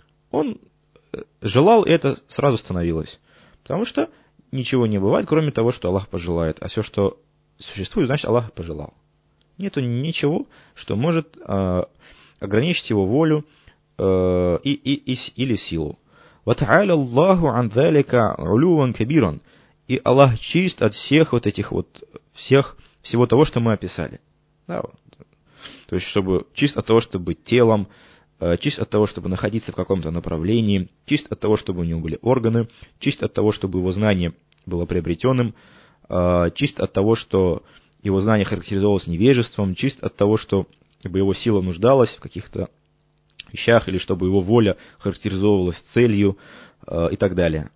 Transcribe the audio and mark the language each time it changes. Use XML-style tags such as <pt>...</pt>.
<ru>Он желал, и это сразу становилось. Потому что ничего не бывает, кроме того, что Аллах пожелает. А все, что существует, значит, Аллах пожелал. Нету ничего, что может ограничить его волю или силу.</ru> <ar>وَتَعَالَى اللَّهُ عَنْ ذَلِكَ عُلُوًا كَبِيرًا.</ar> <ru>И Аллах чист от всех вот этих вот, всего того, что мы описали. Да, вот. То есть, чтобы чист от того, чтобы быть телом, чист от того, чтобы находиться в каком-то направлении, чист от того, чтобы у него были органы, чист от того, чтобы его знание было приобретенным, чист от того, что его знание характеризовалось невежеством, чист от того, чтобы его сила нуждалась в каких-то вещах, или чтобы его воля характеризовывалась целью и так далее.</ru>